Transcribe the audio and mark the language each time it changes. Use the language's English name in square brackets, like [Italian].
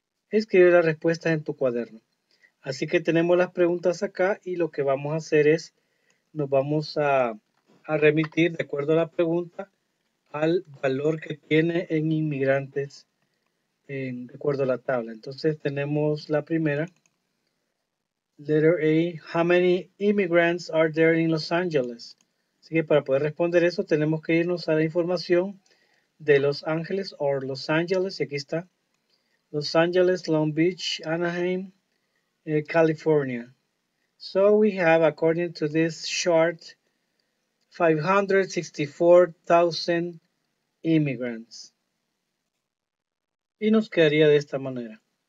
[Spanish] Escribe la respuesta en tu cuaderno. Así que tenemos las preguntas acá, y lo que vamos a hacer es, nos vamos a remitir de acuerdo a la pregunta al valor que tiene en inmigrantes de acuerdo a la tabla. Entonces tenemos la primera. [English] Letter A, how many immigrants are there in Los Angeles? [Spanish] Así que para poder responder eso tenemos que irnos a la información de Los Ángeles o Los Ángeles, y aquí está: Los Ángeles, Long Beach, Anaheim, California. [English] So we have, according to this chart, 564,000 immigrants. [Spanish] Y nos quedaría de esta manera.